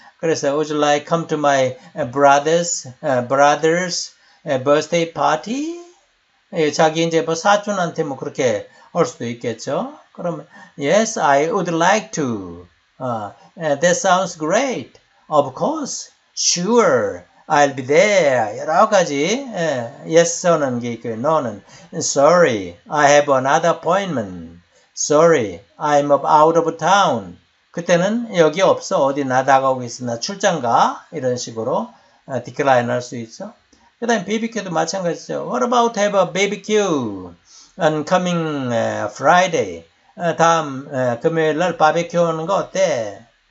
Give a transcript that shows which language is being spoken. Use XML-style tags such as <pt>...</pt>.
<ko>그래서</ko> <en>Would you like come to my brother's birthday party?</en> <ko>자기 이제 뭐 사촌한테 뭐 그렇게 할 수도 있겠죠. 그러면</ko> <en>Yes, I would like to. That sounds great. Of course. Sure, I'll be there.</en> <ko>여러 가지</ko> <en>yes는 있고 no는 sorry, I have another appointment. Sorry, I'm out of town.</en> <ko>그때는 여기 없어. 어디 나다가고 있으나 출장 가. 이런 식으로 decline 할수 있어. 그다음 BBQ도 마찬가지죠.</ko> <en>What about have a BBQ on coming Friday?</en> <ko>다음 금요일 날 바베큐 하는 거 어때?</ko>